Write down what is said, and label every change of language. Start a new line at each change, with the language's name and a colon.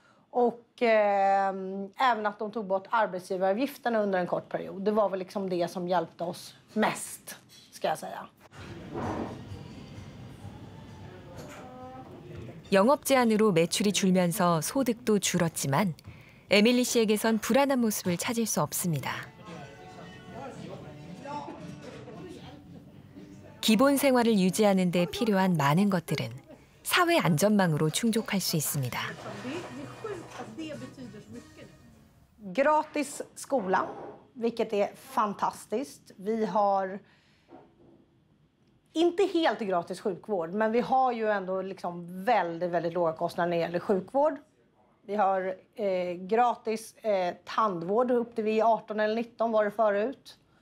Swedish: Och även att de tog bort arbetsgivaravgifterna under en kort period. Det var väl liksom det som hjälpte oss mest, ska jag säga.
Korean: 영업 제한으로 매출이 줄면서 소득도 줄었지만 에밀리 씨에게선 불안한 모습을 찾을 수 없습니다. 기본 생활을 유지하는 데 필요한 많은 것들은 사회 안전망으로 충족할 수 있습니다.
Swedish: Gratis skola, vilket är fantastiskt. Vi har inte helt gratis sjukvård, men vi har ju ändå liksom väldigt, väldigt låga kostnader när det gäller sjukvård. Vi har gratis tandvård upp till vi 18 eller 19 var det förut.